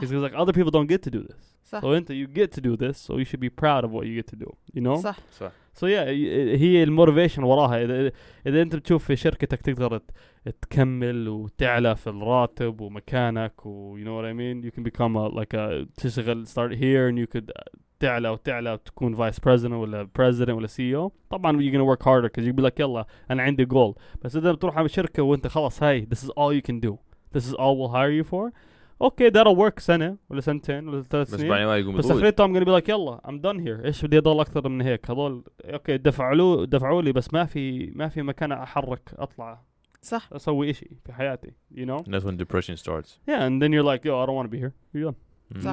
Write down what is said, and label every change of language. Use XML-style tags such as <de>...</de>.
<en>Because like other people don't get to do this.</en> <ar>صح.</ar> <en>So you get to do this, so you should be proud of what you get to do. You know?</en> <ar>صح. سو يا هي الموتيفيشن وراها. اذا انت بتشوف في شركتك تقدر تكمل وتعلى في الراتب ومكانك و</ar> <en>you know what I mean, you can become a, like a,</en> <ar>تشغل</ar> <en>start here and you could</en> <ar>تعلى وتعلى وتكون</ar> <en>vice president</en> <ar>ولا</ar> <en>president</en> <ar>ولا CEO, طبعا</ar> <en>you're gonna work harder because you'll be like</en> <ar>يلا انا عندي</ar> <en>goal.</en> <ar>بس اذا بتروح على شركة وانت خلاص هاي</ar> <en>this is all you can do, this is all we'll hire you for, okay that'll work</en> <ar>سنة ولا سنتين ولا ثلاث سنين, بس اخريتها</ar> <en>I'm gonna be like</en> <ar>يلا</ar> <en>I'm done here,</en> <ar>ايش بدي اضل اكثر من هيك, هذول</ar> <en>okay</en> <ar>دفعوا لي بس ما في مكان احرك اطلع صح اسوي اشي في حياتي,</ar> <en>you know, and that's when depression starts, yeah, and then you're like yo I don't wanna be here, you're done, mm-hmm.</en>